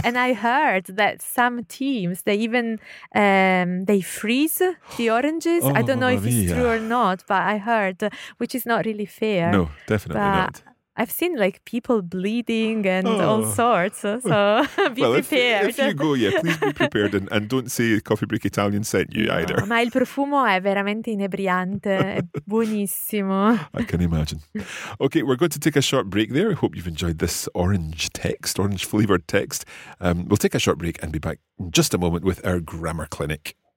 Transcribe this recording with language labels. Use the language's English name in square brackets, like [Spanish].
[English] And I heard that some teams, they even they freeze the oranges. Oh, I don't know if [Italian] mia. [English] It's true or not, but I heard, which is not really fair. No, definitely but not. I've seen like people bleeding and all sorts. So be prepared. If you go, yeah, please be prepared and don't say Coffee Break Italian sent you either. [Italian] Ma il profumo è veramente inebriante. È buonissimo. [English] I can imagine. Okay, we're going to take a short break there. I hope you've enjoyed this orange flavored text. We'll take a short break and be back in just a moment with our grammar clinic.